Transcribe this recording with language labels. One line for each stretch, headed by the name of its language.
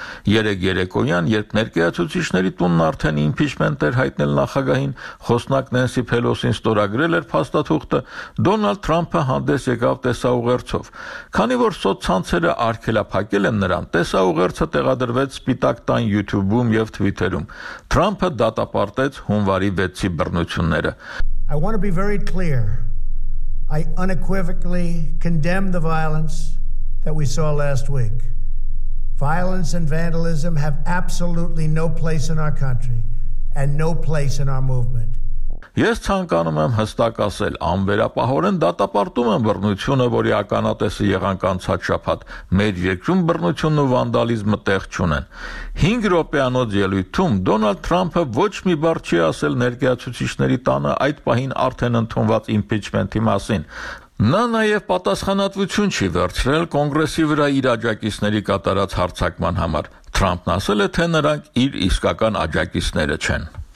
Armenian: Երեկոյան, երբ ներկայացուցիչների տունն արդեն իմպիչմենթ էր հայտնել նախագահին, խոսնակ Նենսի Փելոսին ստորագրել էր փաստաթուղթը, Դոնալդ Թրամփը հանդես եկավ տեսաուղերձով։ Քանի որ սոցցանցերը արգելափակել են նրան, տեսաուղերձը տեղադրվեց Սպիտակ տան YouTube-ում եւ Twitter-ում։ Թրամփը դատապարտեց հունվարի 6-ի բռնությունները։
English: I want to be very clear. I unequivocally condemn the violence that we saw last week. Violence and vandalism have absolutely no place in our country and no place in our movement.
Armenian: Ես ցանկանում եմ հստակ ասել, անվերապահորեն դատապարտում եմ բռնությունը, որի ականատեսը եղանք անցած շաբաթ։ Մեր երկրում բռնությունն ու վանդալիզմը տեղ չունեն։ 5 րոպեանոց ելույթում Դոնալդ Թրամփը ոչ մի բառ չի ասել ներկայացուցիչների տանը այդ պահին արդեն ընդունված իմպիչմենթի մասին։ Նա նաև պատասխանատվություն չի վերցրել կոնգրեսի վրա իր աջակիցների կատարած հարձակման համար։ Թրամփն ասել է, թե նրանք իր իսկական աջակիցները չեն։